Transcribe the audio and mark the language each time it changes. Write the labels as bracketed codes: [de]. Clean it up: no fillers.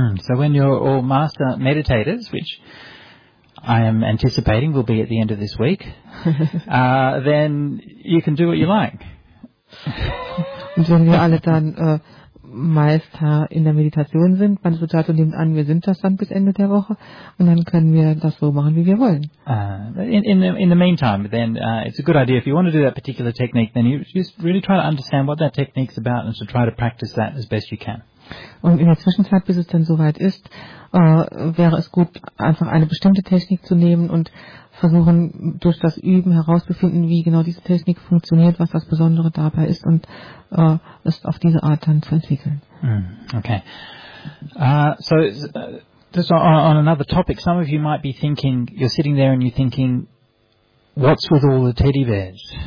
[en] So when you're all master meditators, which I am anticipating will be at the end of this week, then you can do what you like. [de] Und wenn wir alle dann Meister in der Meditation sind, man sagt und nimmt an, wir sind das dann bis Ende der Woche und dann können wir das so machen, wie wir wollen. [en] In the meantime, then it's a good idea if you want to do that particular technique, then you just really try to understand what that technique's about and to try to practice that as best you can. [de] Und in der Zwischenzeit, bis es dann soweit ist, wäre es gut, einfach eine bestimmte Technik zu nehmen und versuchen, durch das Üben herauszufinden, wie genau diese Technik funktioniert, was das Besondere dabei ist und es auf diese Art dann zu entwickeln. [en] Okay. So, just on another topic, some of you might be thinking, you're sitting there and you're thinking, what's with all the teddy bears?